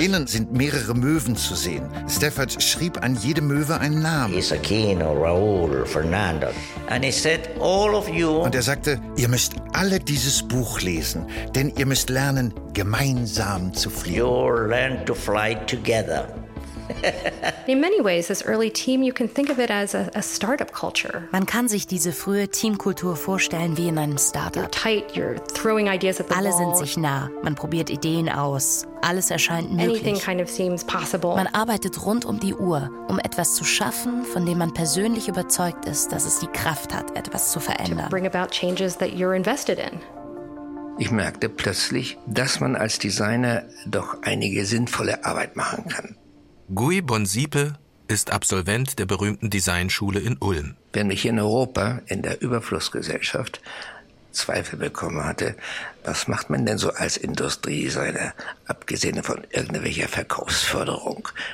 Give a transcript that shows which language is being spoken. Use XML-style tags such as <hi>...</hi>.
<de>Innen sind mehrere Möwen zu sehen. Stafford schrieb an jede Möwe einen Namen.</de> <en>Isakino, Raul, Fernando. And he said, all of you.</en> <de>Und er sagte, ihr müsst alle dieses Buch lesen, denn ihr müsst lernen, gemeinsam zu fliegen.</de> <en>You learn to fly together. In many ways, this early team, you can think of it as a startup culture.</en> <de>Man kann sich diese frühe Teamkultur vorstellen wie in einem Startup.</de> <en>You're tight, you're throwing ideas at the</en> <de>Alle</de> <en>wall.</en> <de>Sind sich nah, man probiert Ideen aus, alles erscheint möglich.</de> <en>Anything kind of seems possible.</en> <de>Man arbeitet rund um die Uhr, um etwas zu schaffen, von dem man persönlich überzeugt ist, dass es die Kraft hat, etwas zu verändern.</de> <en>To bring about changes that you're invested in.</en> <de>Ich merkte plötzlich, dass man als Designer doch einige sinnvolle Arbeit machen kann. Guy Bonsiepe ist Absolvent der berühmten Designschule in Ulm. Wenn ich in Europa in der Überflussgesellschaft Zweifel bekommen hatte, was macht man denn so als Industriedesigner, abgesehen von irgendwelcher Verkaufsförderung?</de>